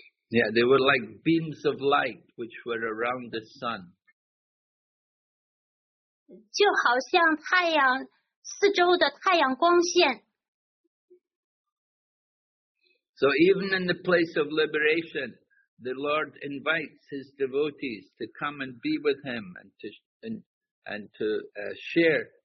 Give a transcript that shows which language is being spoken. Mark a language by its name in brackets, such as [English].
[English] Yeah, they were like beams of light which were around the sun. [Chinese] 就好像太阳四周的太阳光线。 [English] So even in the place of liberation, the Lord invites His devotees to come and be with Him and to share.